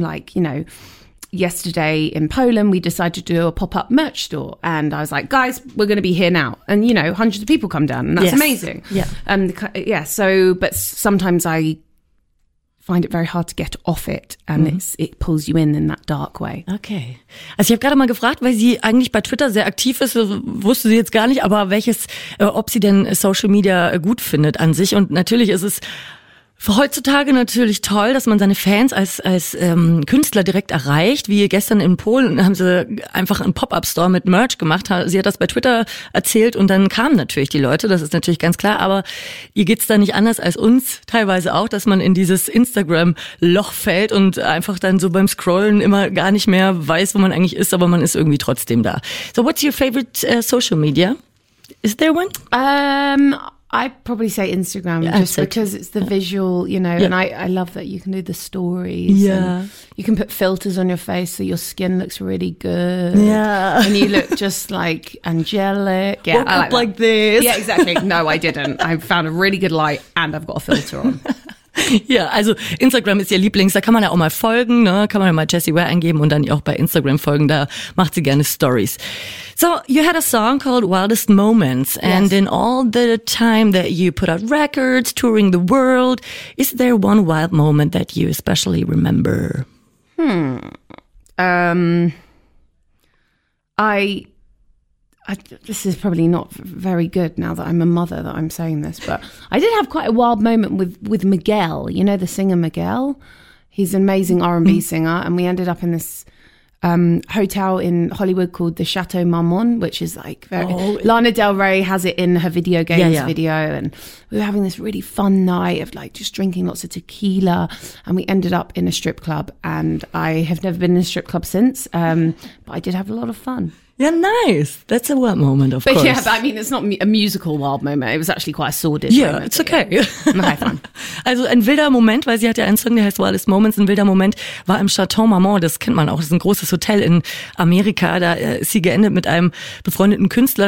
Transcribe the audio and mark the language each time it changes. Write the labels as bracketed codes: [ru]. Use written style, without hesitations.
[en] Like, you know, yesterday in Poland, we decided to do a pop-up merch store. And I was like, guys, we're going to be here now. And, you know, hundreds of people come down. And that's amazing. Yeah. And yeah, so, but sometimes I find it very hard to get off it and it pulls you in that dark way. Okay. [de] Also ich habe gerade mal gefragt, weil sie eigentlich bei Twitter sehr aktiv ist, wusste sie jetzt gar nicht, aber welches, ob sie denn Social Media gut findet an sich. Und natürlich ist es heutzutage natürlich toll, dass man seine Fans als Künstler direkt erreicht. Wie gestern in Polen haben sie einfach einen Pop-Up-Store mit Merch gemacht. Sie hat das bei Twitter erzählt und dann kamen natürlich die Leute. Das ist natürlich ganz klar. Aber ihr geht's da nicht anders als uns teilweise auch, dass man in dieses Instagram-Loch fällt und einfach dann so beim Scrollen immer gar nicht mehr weiß, wo man eigentlich ist, aber man ist irgendwie trotzdem da. [en] So, what's your favorite social media? Is there one? I probably say Instagram because it's the visual, you know, and I love that you can do the stories. Yeah. And you can put filters on your face so your skin looks really good. Yeah. And you look just like angelic. Yeah. Woke I like, up like this. Yeah, exactly. No, I didn't. I found a really good light and I've got a filter on. [de] Ja, also Instagram ist ihr Lieblings, da kann man ja auch mal folgen, ne? Kann man ja mal Jessie Ware eingeben und dann auch bei Instagram folgen, da macht sie gerne Stories. [en] So, you had a song called Wildest Moments and in all the time that you put out records, touring the world, is there one wild moment that you especially remember? I, this is probably not very good now that I'm a mother that I'm saying this, but I did have quite a wild moment with Miguel, you know, the singer Miguel. He's an amazing R&B singer. And we ended up in this hotel in Hollywood called the Chateau Marmont, which is like very, Lana Del Rey has it in her video games video. And we were having this really fun night of like just drinking lots of tequila. And we ended up in a strip club. And I have never been in a strip club since, but I did have a lot of fun. Yeah, nice. That's a wild moment, of course. But yeah, but I mean, it's not a musical wild moment. It was actually quite a sordid moment. It's okay. Yeah. [de] Also ein wilder Moment, weil sie hat ja einen Song, der heißt Wildest Moments. Ein wilder Moment war im Chateau Marmont. Das kennt man auch. Das ist ein großes Hotel in Amerika. Da ist sie geendet mit einem befreundeten Künstler.